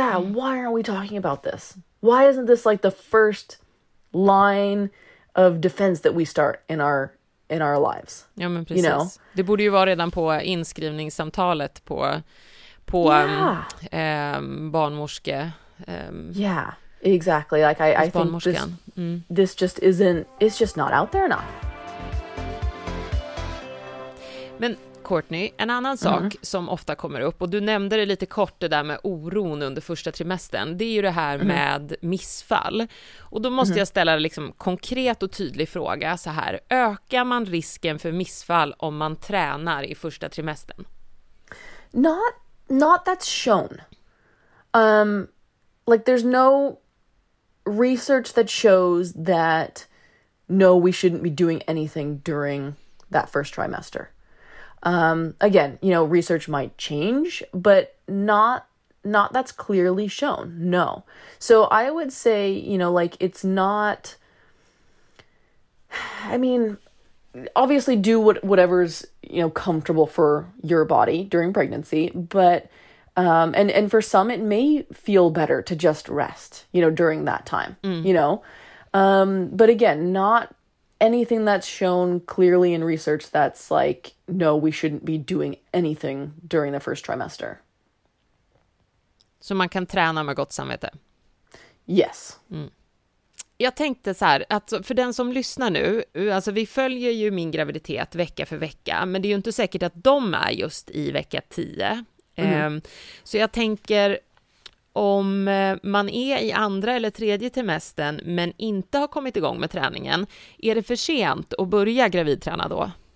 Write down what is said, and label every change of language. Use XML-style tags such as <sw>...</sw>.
<en>Why aren't we talking about this? Why isn't this, like, the first line of defense that we start in our lives?</en> <sv>Ja, men precis.</sv> <en>You know?</en> <sv>Det borde ju vara redan på inskrivningssamtalet på barnmorske.</sv> <en>Yeah, exactly. Like, I think this just isn't, it's just not out there enough.</en> <sv>Men Courtney, en annan sak som ofta kommer upp, och du nämnde det lite kort, det där med oron under första trimestern, det är ju det här med missfall. Och då måste jag ställa en liksom konkret och tydlig fråga så här. Ökar man risken för missfall om man tränar i första trimestern?</sv> <en>Not that's shown. Like, there's no research that shows that no, we shouldn't be doing anything during that first trimester. Again, you know, research might change, but not that's clearly shown. No. So I would say, you know, like, it's not, I mean, obviously do whatever's, you know, comfortable for your body during pregnancy, but, and for some, it may feel better to just rest, you know, during that time, you know? But again, not anything that's shown clearly in research that's like, no, we shouldn't be doing anything during the first trimester.</en> <sv>Så man kan träna med gott samvete?</sv> <en>Yes.</en> <sv>Jag tänkte så här, att för den som lyssnar nu, alltså, vi följer ju min graviditet vecka för vecka, men det är ju inte säkert att de är just i vecka 10. Så jag tänker, om man är i andra eller tredje trimestern men inte har kommit igång med träningen, är det för sent att börja gravidträna då?</sv>